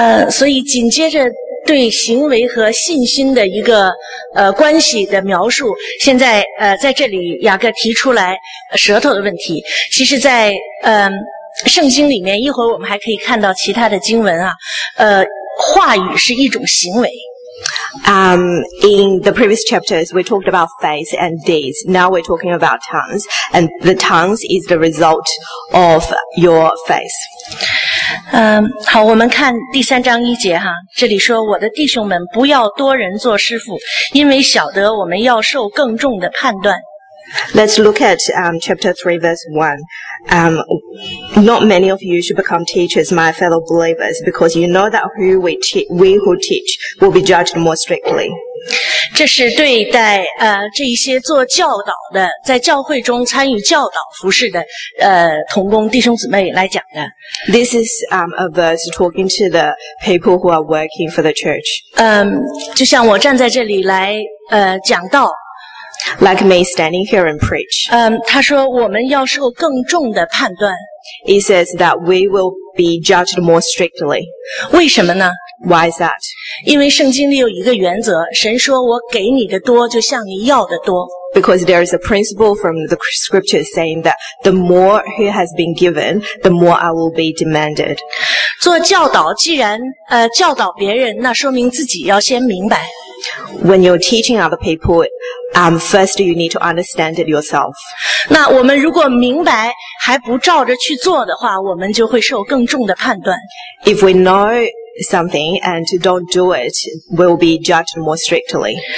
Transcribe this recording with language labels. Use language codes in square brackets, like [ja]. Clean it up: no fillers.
[zh] 所以紧接着对行为和信心的一个关系的描述，现在在这里雅各提出来舌头的问题。其实在圣经里面，一会儿我们还可以看到其他的经文啊，话语是一种行为。 [en] In the previous chapters, we talked about faith and deeds. Now we're talking about tongues, and the tongues is the result of your faith. [zh] 好，我们看第三章一节哈，这里说，我的弟兄们，不要多人做师傅，因为晓得我们要受更重的判断。 [en] Let's look at chapter 3, verse 1. Not many of you should become teachers, my fellow believers, because you know that we who teach will be judged more strictly. [zh] 这是对待这一些做教导的，在教会中参与教导服事的同工弟兄姊妹来讲的。 [en] This is a verse talking to the people who are working for the church. [zh] 就像我站在这里来讲道。 [en] Like me standing here and preach. [zh] 他说我们要受更重的判断。 [en] He says that we will be judged more strictly. [zh] 为什么呢？ [en] Why is that? [zh] 因为圣经里有一个原则，神说我给你的多，就向你要的多。 [en] Because there is a principle from the scriptures saying that the more he has been given, the more I will be demanded. [zh] 做教导，既然教导别人，那说明自己要先明白。 [en] When you're teaching other people, first you need to understand it yourself. [zh] 那我们如果明白还不照着去做的话，我们就会受更重的判断。 [en] If we know something and don't do it, we'll be judged more strictly.